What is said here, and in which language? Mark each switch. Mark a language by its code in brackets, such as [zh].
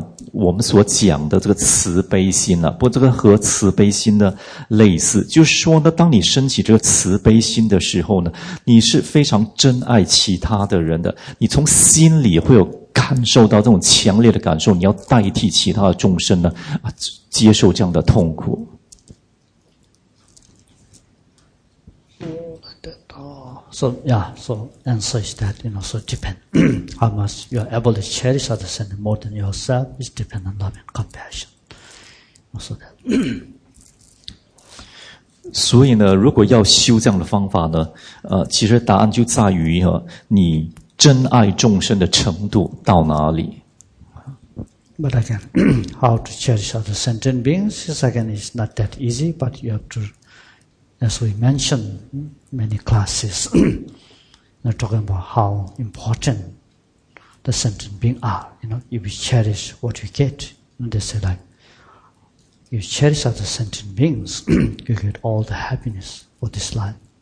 [zh] 我们所讲的这个慈悲心了。不过这个和慈悲心呢类似，就是说呢，当你升起这个慈悲心的时候呢，你是非常珍爱其他的人的，你从心里会有感受到这种强烈的感受，你要代替其他的众生呢，接受这样的痛苦。 [en] So yeah, so answer is that, you know, so depend how much you are able to cherish others and more than yourself is depend on love and compassion. So that. [zh] 所以呢，如果要修这样的方法呢，其实答案就在于你珍爱众生的程度到哪里。 [en] But again, how to cherish other sentient beings is again is not that easy, but you have to. As we mentioned many classes, we're talking about how important the sentient beings are. You know, if you cherish what you get, and they say like, you cherish other sentient beings, you get all the happiness for this life.